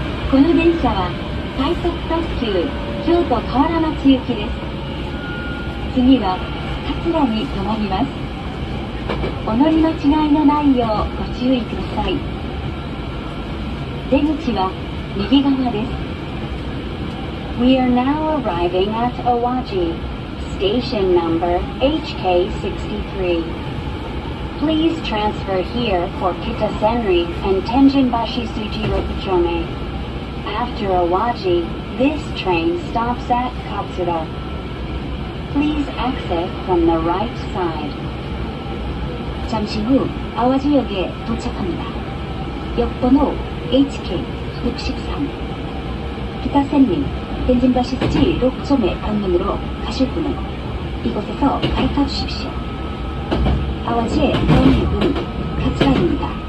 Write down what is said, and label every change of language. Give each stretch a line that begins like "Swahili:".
Japanese: この電車は快速特急京都河原町行きです。次は桂に止まります。お乗り間違いのないようご注意ください。出口は右側です。
English: We are now arriving at Awaji. Station number HK63. Please transfer here for Kitasenri and Tenjinbashi Suji 6丁目. After Awaji, this train stops at Katsura. Please exit from the right side.
Korean: 잠시 후 아와지역에 도착합니다. 역번호 HK63 기타센님 덴진바시 스지 6점의 방문으로 가실 분은 이곳에서 갈아타주십시오. 아와지의 다음역은 카츠라입니다.